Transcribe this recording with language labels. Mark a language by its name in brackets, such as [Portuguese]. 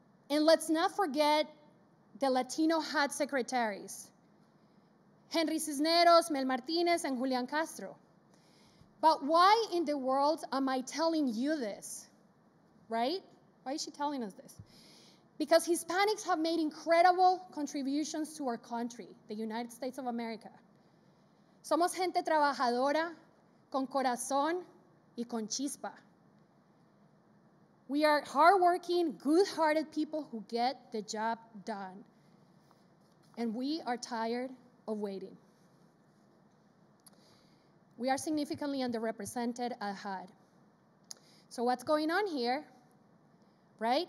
[English] And let's not forget the Latino HUD secretaries, Henry Cisneros, Mel Martinez, and Julian Castro. But why in the world am I telling you this, right? Why is she telling us this? Because Hispanics have made incredible contributions to our country, the United States of America. [Spanish] Somos gente trabajadora, con corazón y con chispa. [English] We are hardworking, good-hearted people who get the job done. And we are tired of waiting. We are significantly underrepresented at HUD. So what's going on here, right?